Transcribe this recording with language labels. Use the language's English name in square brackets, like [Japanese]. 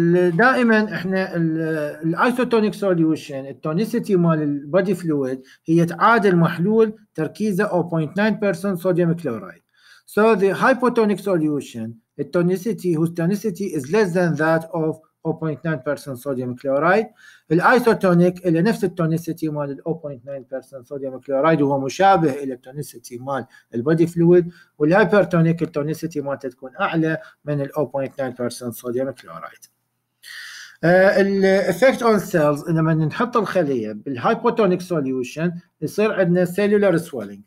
[Arabic] دائما احنا الايزوتونيك سوليوشن التونيسيتي مال البودي فلويد هي تعادل محلول تركيزه 0.9% صوديوم كلورايد. [English] So the hypotonic solution التونيسيتي whose tonicity is less than that of 0.9% sodium chloride. [Arabic] الايزوتونيك اللي نفس التونيسيتي مال 0.9% صوديوم كلورايد وهو مشابه الى التونيسيتي مال البودي فلويد. والهايبرتونيك التونيسيتي مال تكون اعلى من 0.9% صوديوم كلورايد. الافكت اون سيلز لما نحط الخليه بالهايبوتونيك سوليوشن يصير عندنا سيلولار سوالينج.